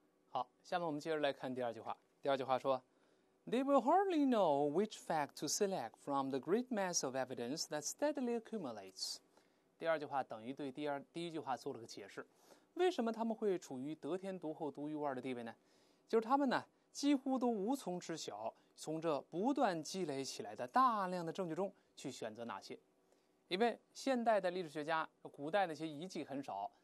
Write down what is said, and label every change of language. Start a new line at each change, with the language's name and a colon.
Chinese: 好，下面我们接着来看第二句话。第二句话说
English: ，They will hardly know which fact to select from the great mass of evidence that steadily accumulates。
Chinese: 第二句话等于对第一句话做了个解释。为什么他们会处于得天独厚、独一无二的地位呢？就是他们呢，几乎都无从知晓，从这不断积累起来的大量的证据中去选择哪些。因为现代的历史学家，古代那些遗迹很少。